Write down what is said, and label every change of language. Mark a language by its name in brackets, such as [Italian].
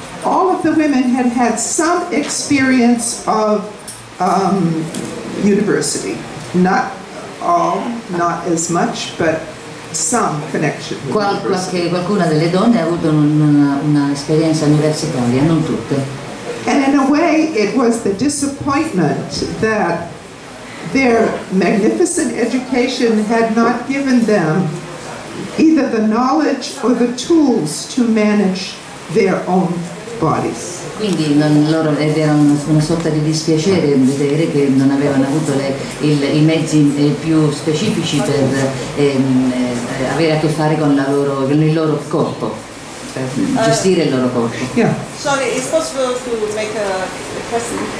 [English] All of the women had some experience of university. Not all, not as much, but some connection. [Italian] Qualcuna delle donne ha avuto una esperienza universitaria, non tutte. [English] And in a way, it was the disappointment that their magnificent education had not given them either the knowledge or the tools to manage their own bodies. [Italian] Quindi loro erano una sorta di dispiacere vedere che non avevano avuto i mezzi più specifici per avere a che fare con il loro corpo, per gestire il loro corpo. [English] Yeah. Sorry, is it possible to make a question?